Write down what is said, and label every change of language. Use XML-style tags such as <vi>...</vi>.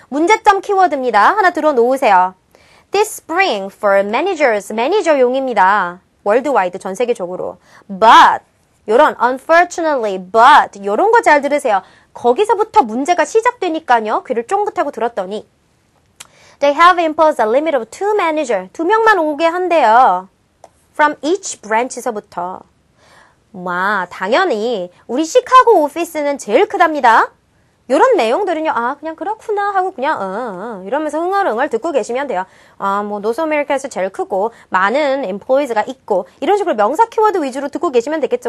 <ko>문제점 키워드입니다. 하나 들어놓으세요.</ko> <en>This spring for managers,</en> <ko>매니저용입니다. Worldwide, 전 세계적으로. But, 요런 unfortunately, but, 요런 거 잘 들으세요. 거기서부터 문제가 시작되니까요. 귀를 쫑긋하고 들었더니.</ko> <en>They have imposed a limit of two managers.</en> <ko>두 명만 오게 한대요.</ko> <en>From each branch</en> <ko>에서부터. 와, 당연히 우리 시카고 오피스는 제일 크답니다. 이런 내용들은요. 아, 그냥 그렇구나 하고 그냥 이러면서 흥얼흥얼 듣고 계시면 돼요. 아, 뭐 노스 아메리카에서 제일 크고 많은 employees가 있고 이런 식으로 명사 키워드 위주로 듣고 계시면 되겠죠.</ko>